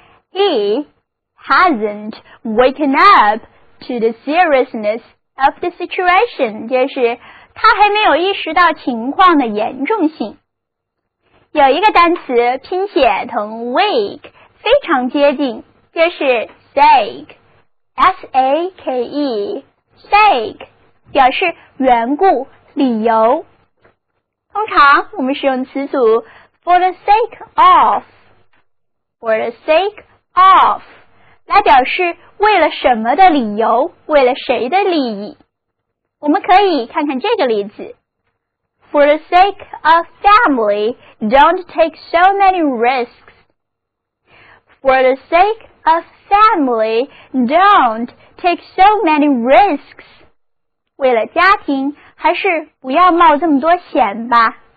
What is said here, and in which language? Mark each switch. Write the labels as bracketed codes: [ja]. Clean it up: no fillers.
[en] He hasn't woken up to the seriousness of the situation. [zh] 就是他还没有意识到情况的严重性。有一个单词拼写同 wake 非常接近，就是 sake， S-A-K-E sake表示缘故、理由。通常我们使用词组 for the sake of， for the sake of 来表示为了什么的理由，为了谁的利益。我们可以看看这个例子， [en] For the sake of family, don't take so many risks. For the sake of family, don't take so many risks. [zh] 为了家庭，还是不要冒这么多险吧。